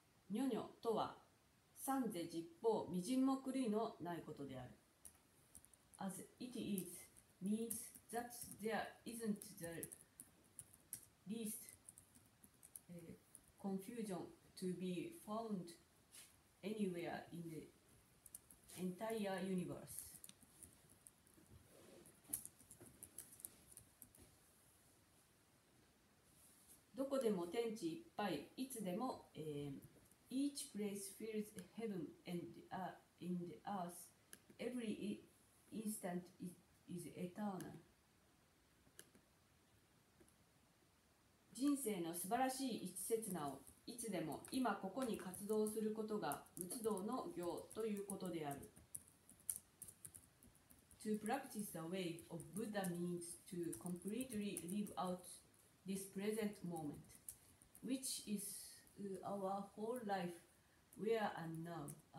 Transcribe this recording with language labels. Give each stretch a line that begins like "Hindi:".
Japanese: にょにょとは三世十方、微塵も狂いのないことである。
English: As it is means that there isn't the least confusion to be found anywhere in the entire universe.
Japanese: どこでも天地いっぱい、いつでも、
English: Each place fills heaven and the earth. Every instant is eternal.
Japanese: 人生の素晴らしい一刹那をいつでも今ここに活動することが仏道の行ということである。
English: To practice the way of Buddha means to completely live out this present moment, which isOur whole life, here and now.